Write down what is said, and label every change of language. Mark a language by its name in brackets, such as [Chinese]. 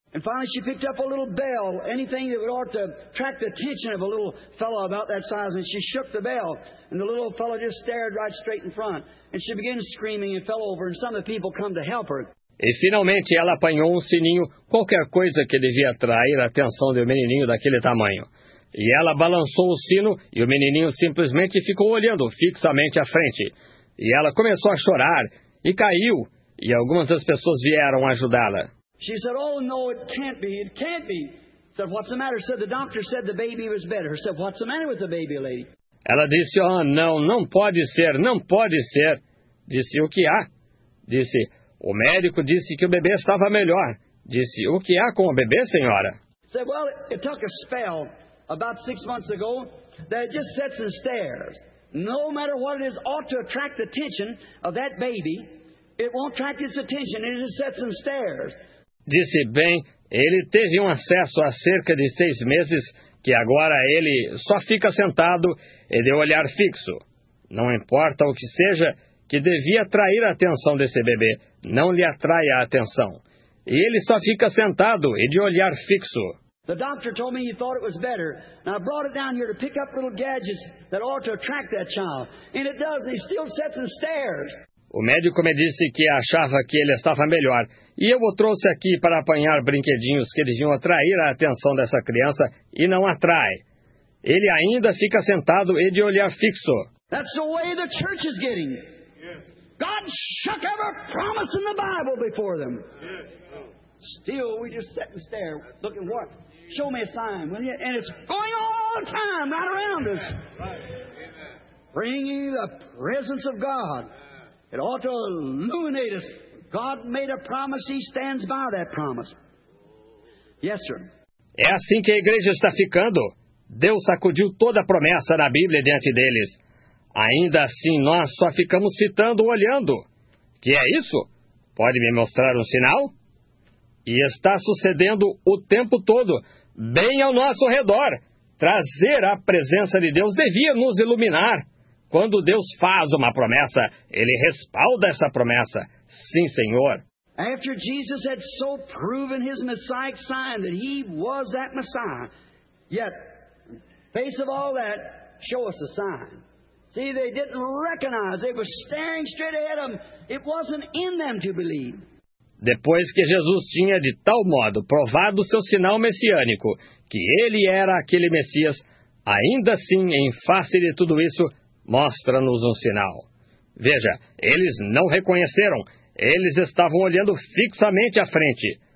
[English] And finally she picked up a little bell, anything that would ought to attract the attention of a little fellow about that size, and she shook the bell, and the little fellow just stared right straight in front, and she began screaming and fell over, and some of the people come to help her. [Portuguese] E finalmente ela apanhou um sininho, qualquer coisa que devia atrair a atenção de um menininho daquele tamanho. E ela balançou o sino, e o menininho simplesmente ficou olhando fixamente à frente. E ela começou a chorar, e caiu, e algumas das pessoas vieram ajudá-la. [English] She said, oh, no, it can't be, it can't be. Said, what's the matter? Said, the doctor said the baby was better. Said, what's the matter with the baby, lady? [Portuguese] Ela disse, oh, não, não pode ser, não pode ser. Disse, o que há? Disse, o médico disse que o bebê estava melhor. Disse, o que há com o bebê, senhora? [English] Said, well, it took a spell about 6 months ago that it just sits and stares. No matter what it is, ought to attract the attention of that baby. It won't attract its attention, it just sits and stares. [Portuguese] Disse, bem, ele teve um acesso há cerca de 6 meses, que agora ele só fica sentado e de olhar fixo. Não importa o que seja, que devia atrair a atenção desse bebê, não lhe atrai a atenção. E ele só fica sentado e de olhar fixo. [English] The doctor told me he thought it was better, and I brought it down here to pick up little gadgets that ought to attract that child. And it does, and he still sits and stares. [Portuguese] O médico me disse que achava que ele estava melhor, e eu o trouxe aqui para apanhar brinquedinhos que deviam atrair a atenção dessa criança, e não atrai. Ele ainda fica sentado e de olhar fixo. [English] That's the way the church is getting. God shook every promise in the Bible before them. Still, we just sit and stare, looking what? Show me a sign, will you? And it's going all the time, right around us. Bring you the presence of God. It ought to illuminate us. God made a promise, he stands by that promise. Yes, sir. [Portuguese] É assim que a igreja está ficando. Deus sacudiu toda a promessa na Bíblia diante deles. Ainda assim, nós só ficamos citando, olhando. Que é isso? Pode me mostrar um sinal? E está sucedendo o tempo todo, bem ao nosso redor. Trazer a presença de Deus devia nos iluminar. Quando Deus faz uma promessa, Ele respalda essa promessa. Sim, Senhor. [English] After Jesus had so proven His Messiah sign that He was that Messiah, yet, in the face of all that, show us a sign. See, they didn't recognize. They were staring straight ahead of them. It wasn't in them to believe. [Portuguese] Depois que Jesus tinha de tal modo provado seu sinal messiânico, que Ele era aquele Messias, ainda assim, em face de tudo isso, mostra-nos um sinal. Veja, eles não reconheceram. Eles estavam olhando fixamente à frente.